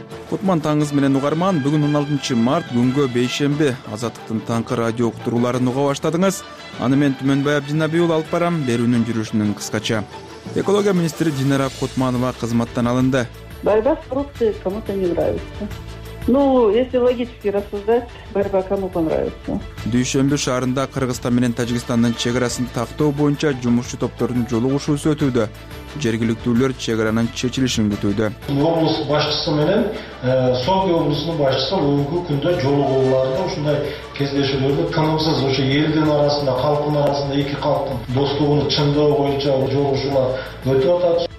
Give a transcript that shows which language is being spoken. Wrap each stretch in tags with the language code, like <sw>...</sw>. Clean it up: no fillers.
<ky>Кутман таңыз менен угарман, бүгүн 16 март, күнгө бейшемби. Азаттыктын таңкы радио уктурууларын уга баштадыңыз. Аны мен Түмөнбай Абдинабиев алып барам. Берүүнүн жүрүшүнүн кыскача. Экология министри Динара Кутманова кызматтан алынды.</ky> <ru>Борьба с коррупцией кому-то не нравится. Если логически рассуждать, борьба кому понравится.</ru> <ky>Дүйшөмбү шаарында Кыргызстан менен Тажикстандын чек арасын тактоо боюнча жумушчу топтордун жолугушуусу өтүүдө. Жергиликтүүлөр чек аранын чечилишин күтүүдө. Облус башчысы менен Сокий облусунун башчысы бүгүнкү күндө жолугууларда ушундай кездешүүлөрдү тынымсыз ошо элдин арасында, калктын арасында, эки калктын достугун чыңдоо боюнча жолугушуулар өтүп атат.</ky>